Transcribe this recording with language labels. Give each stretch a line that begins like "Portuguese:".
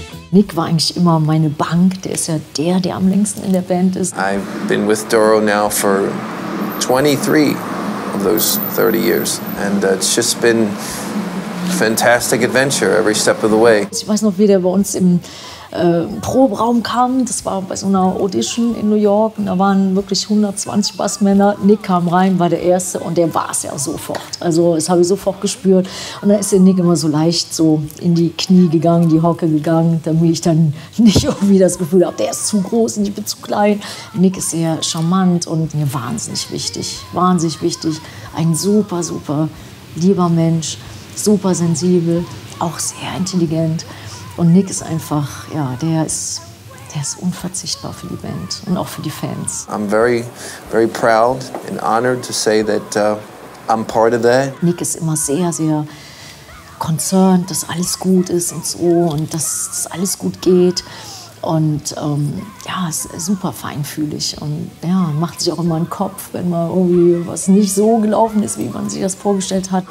German: Nick war eigentlich immer meine Bank. Der ist ja der, der am längsten in der Band ist.
English: I've been with Doro now for 23 of those 30 years. And it's just been a fantastic adventure every step of the way.
German: Ich weiß noch, wie der bei uns im Proberaum kam. Das war bei so einer Audition in New York. Und da waren wirklich 120 Bassmänner. Nick kam rein, war der Erste. Und der war es ja sofort. Also das habe ich sofort gespürt. Und dann ist der Nick immer so leicht so in die Knie gegangen, die Hocke gegangen, damit ich dann nicht irgendwie das Gefühl habe, der ist zu groß und ich bin zu klein. Nick ist sehr charmant und mir wahnsinnig wichtig. Wahnsinnig wichtig. Ein super, super lieber Mensch. Super sensibel. Auch sehr intelligent. Und Nick ist einfach, ja, der ist unverzichtbar für die Band und auch für die Fans.
English: I'm very, very proud and honored to say that I'm part of that.
German: Nick ist immer sehr, sehr concerned, dass alles gut ist und so und dass es alles gut geht. Und ist super feinfühlig und ja, macht sich auch immer einen Kopf, wenn mal irgendwie was nicht so gelaufen ist, wie man sich das vorgestellt hat.